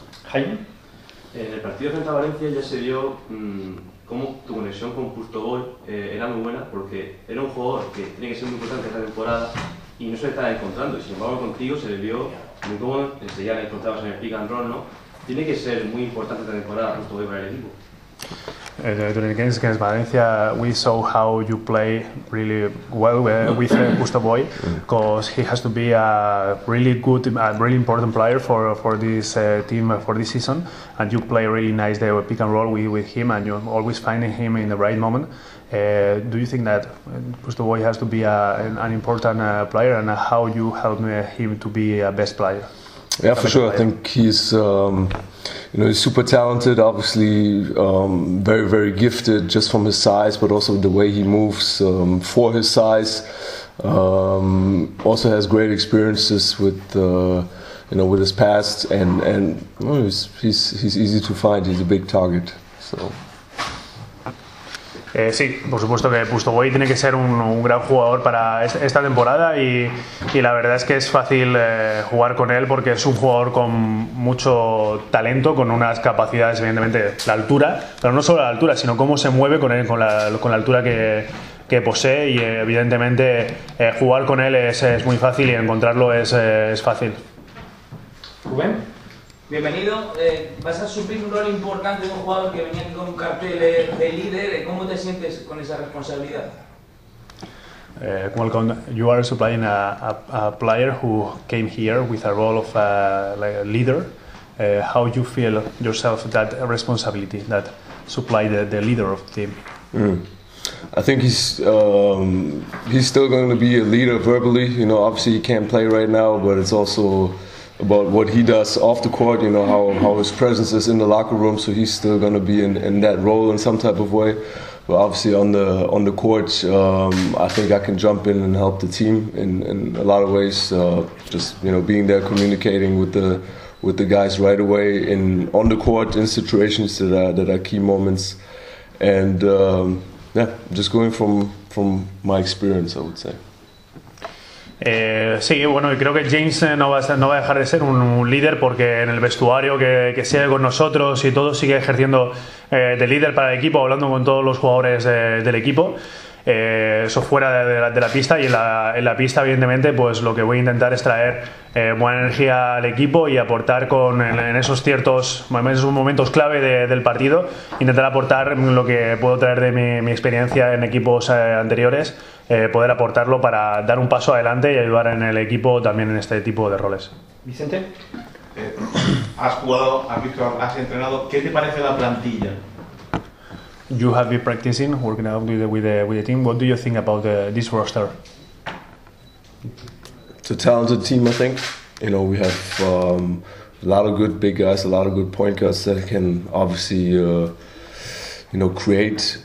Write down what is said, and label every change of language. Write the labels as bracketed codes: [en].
[es] Jaime, en el partido frente a Valencia ya se vio cómo tu conexión con Pustogol era muy buena, porque era un jugador que tiene que ser muy importante esta temporada y no se le estaba encontrando, y sin embargo contigo se le vio muy cómodo, enseguida le encontrabas en el pick and roll, ¿no? Tiene que ser muy importante esta temporada Pustogol para el equipo. [en] During the games against Valencia, we saw how you play really well with Gustavo Boy, because he has to be a really good and really important player for this team for this season. And you play really nice the pick and roll with him, and you're always finding him in the right moment. Do you think that Gustavo Boy has to be an important player, and how you help him to be a best player? Yeah, for sure. I think he's, you know, he's super talented. Obviously, very, very gifted, just from his size, but also the way he moves for his size. Also has great experiences with, you know, with his past, and you know, he's easy to find. He's a big target. So. [es] Sí, por supuesto que Pustogoy tiene que ser un gran jugador para esta temporada, y la verdad es que es fácil jugar con él, porque es un jugador con mucho talento, con unas capacidades, evidentemente, la altura, pero no solo la altura, sino cómo se mueve con él, con la altura que posee, y evidentemente jugar con él es muy fácil, y encontrarlo es fácil. Rubén. Bienvenido. Vas a suplir un rol importante de un jugador que venía con un cartel de líder. ¿Cómo te sientes con esa responsabilidad? [en] Welcome. You are supplying a player who came here with a role of like a leader. How you feel yourself that responsibility that supply the leader of the team? I think he's still going to be a leader verbally. You know, obviously he can't play right now, but it's also about what he does off the court, you know, how his presence is in the locker room. So he's still going to be in that role in some type of way. But obviously on the court, I think I can jump in and help the team in a lot of ways. Just, you know, being there, communicating with the with the guys right away in on the court in situations that are key moments, and yeah, just going from my experience, I would say. [es] Sí, bueno, y creo que James no va a dejar de ser un líder porque en el vestuario que sigue con nosotros y todo sigue ejerciendo de líder para el equipo, hablando con todos los jugadores del equipo. Eso fuera de la pista, y en la pista, evidentemente, pues lo que voy a intentar es traer buena energía al equipo y aportar con en esos ciertos momentos clave del partido, intentar aportar lo que puedo traer de mi experiencia en equipos anteriores, poder aportarlo para dar un paso adelante y ayudar en el equipo también en este tipo de roles. Vicente, has jugado, has entrenado, ¿qué te parece la plantilla? [en] You have been practicing, working out with the team. What do you think about this roster? It's a talented team, I think. You know, we have a lot of good big guys, a lot of good point guards that can obviously, create.